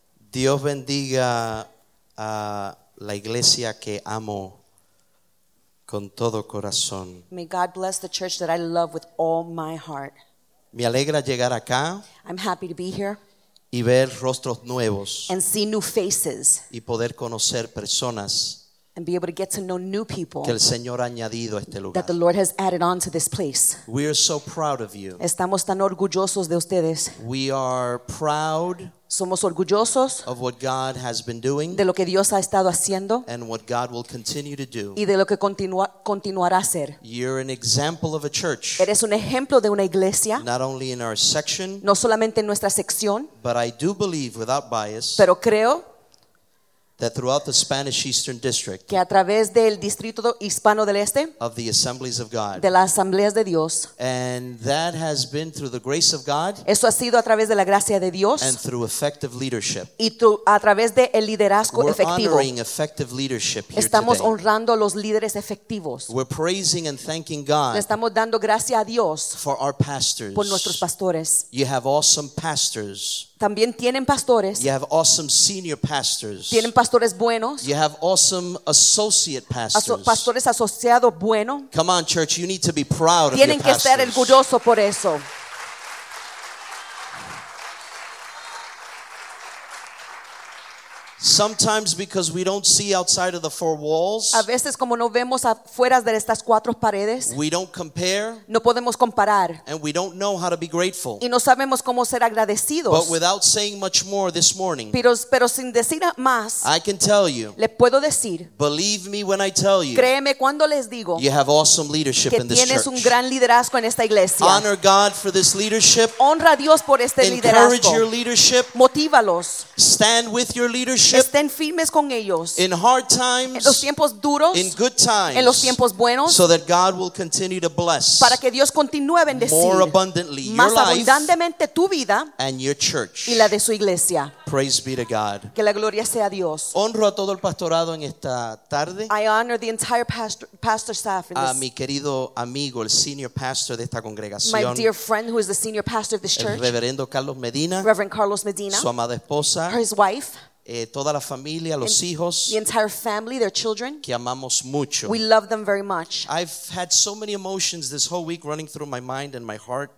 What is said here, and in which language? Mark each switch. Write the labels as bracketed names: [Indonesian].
[Spanish] Dios bendiga a la iglesia que amo con todo corazón. [English] May God bless the church that I love with all my heart. [Spanish] Me alegra llegar acá. [English] I'm happy to be here. [Spanish] Y ver rostros nuevos. [English] And see new faces. [Spanish] Y poder conocer personas. [English] And be able to get to know new people [Spanish] que el Señor ha añadido a este lugar. [English] That the Lord has added on to this place. We are so proud of you. [Spanish] Estamos tan orgullosos de ustedes. [English] We are proud. [Spanish] Somos orgullosos [English] of what God has been doing, [Spanish] de lo que Dios ha estado haciendo, [English] and what God will continue to do, [Spanish] y de lo que continuará a hacer. [English] You're an example of a church, [Spanish] eres un ejemplo de una iglesia, [English] not only in our section, [Spanish] no solamente en nuestra sección, [English] but I do believe without bias, [Spanish] pero creo [English] that throughout the Spanish Eastern District, [Spanish] que a través del distrito hispano del este, [English] of the Assemblies of God, [Spanish] de las asambleas de Dios, [English] and that has been through the grace of God, [Spanish] eso ha sido a través de la gracia de Dios, [English] and through effective leadership, [Spanish] y a través de el liderazgo [English] we're [Spanish] efectivo, [English] honoring effective leadership here [Spanish] estamos [English] today. [Spanish] Honrando a los líderes efectivos. [English] We're praising and thanking God, [Spanish] le estamos dando gracia a Dios, [English] for our pastors, [Spanish] por nuestros pastores. [English] You have awesome pastors. [Spanish] También tienen pastores. [English] You have awesome senior pastors. [Spanish] Tienen pastores buenos. [English] You have awesome associate pastors. [Spanish] Pastores asociados buenos. [English] Come on, church, you need to be proud [Spanish] tienen [English] of your pastors. [Spanish] Tienen que estar orgullosos por eso. [English] Sometimes because we don't see outside of the four walls. [Spanish] A veces como no vemos afuera de estas cuatro paredes. [English] We don't compare. [Spanish] No podemos comparar. [English] And we don't know how to be grateful. [Spanish] Y no sabemos cómo ser agradecidos. [English] But without saying much more this morning. [Spanish] Pero sin decir más. [English] I can tell you. [Spanish] Le puedo decir. [English] Believe me when I tell you. [Spanish] Créeme cuando les digo. [English] You have awesome leadership in this church. [Spanish] Que tienes un gran liderazgo en esta iglesia. [English] Honor God for this leadership. [Spanish] Honra a Dios por este liderazgo. [English] Encourage your leadership. [Spanish] Motívalos. [English] Stand with your leadership. [Spanish] Estén firmes con ellos. [English] In hard times, [Spanish] en los tiempos duros, [English] in good times, [Spanish] en los tiempos buenos, [English] so that God will continue to bless, [Spanish] para que Dios continúe a bendecir [English] more abundantly [Spanish] más [English] your life, [Spanish] abundantemente tu vida, [English] and your church, [Spanish] y la de su iglesia. [English] Praise be to God. [Spanish] Que la gloria sea a Dios. Honro a todo el pastorado en esta tarde. [English] I honor the entire pastor staff in this. [Spanish] A mi querido amigo, el senior pastor de esta congregación. [English] My dear friend, who is the senior pastor of this church. [Spanish] El reverendo Carlos Medina. [English] Reverend Carlos Medina. [Spanish] Su amada esposa. [English] His wife. [Spanish] Toda la familia, los hijos, [English] the entire family, their children, [Spanish] que amamos mucho. [English] We love them very much. I've had so many emotions this whole week running through my mind and my heart.